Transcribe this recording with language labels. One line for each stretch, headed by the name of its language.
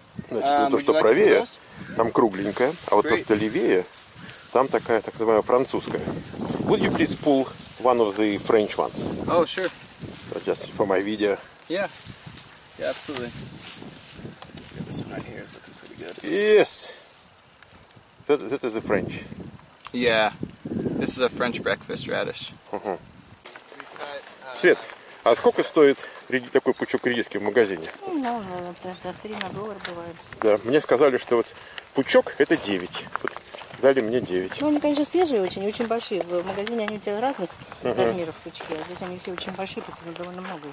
Russian: Значит, то, что правее, там кругленькая, а вот то, что левее, там такая, так называемая, французская.
English: Would you please pull one of the French ones? Oh, sure. So just for my video. Yeah. Yeah, absolutely. Yeah, this one right here is looking pretty good. Yes. That is a French. Yeah. This is a French breakfast radish.
Russian: Свет, а сколько стоит такой пучок редиски в магазине? Ну, $3 бывает. Да, мне сказали, что вот пучок это 9. Вот. Дали мне 9. Ну, они, конечно, свежие очень, очень большие. В магазине они у тебя разных размеров, пучки, а здесь они все очень большие, поэтому довольно много.